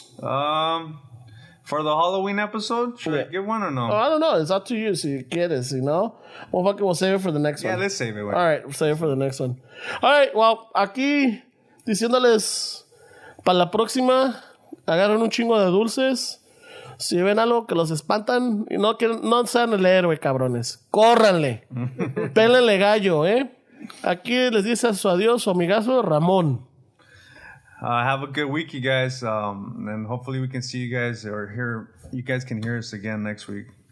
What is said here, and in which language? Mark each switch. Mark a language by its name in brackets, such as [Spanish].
[English] For the Halloween episode, should I give one or no? Oh, I don't know. It's up to you. So you get it, you know? Well, fuck it. We'll save it for the next one. Yeah, let's save it. All right, we'll save it for the next one. All right, well, [Spanish] aquí diciéndoles para la próxima, agarren un chingo de dulces. Si ven algo que los espantan, y no quieren, no sean el héroe, cabrones. Córranle. Pélenle gallo, ¿eh? Aquí les dice su adiós, su amigazo Ramón. [English] Have a good week, you guys, and hopefully we can see you guys or hear you guys can hear us again next week.